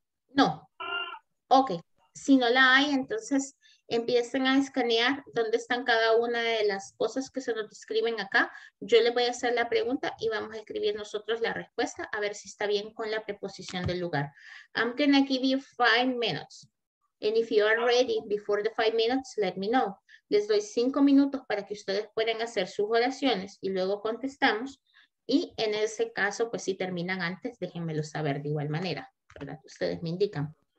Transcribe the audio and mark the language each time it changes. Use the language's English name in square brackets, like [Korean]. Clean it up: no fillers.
[Spanish] No. Ok. Si no la hay, entonces empiecen a escanear dónde están cada una de las cosas que se nos describen acá. Yo les voy a hacer la pregunta y vamos a escribir nosotros la respuesta a ver si está bien con la preposición del lugar. [English] I'm going to give you 5 minutes. And if you are ready before the 5 minutes, let me know. [Spanish] Les doy 5 minutos para que ustedes puedan hacer sus oraciones y luego contestamos. Y en ese caso, pues si terminan antes, déjenmelo saber de igual manera, ¿verdad? Ustedes me indican.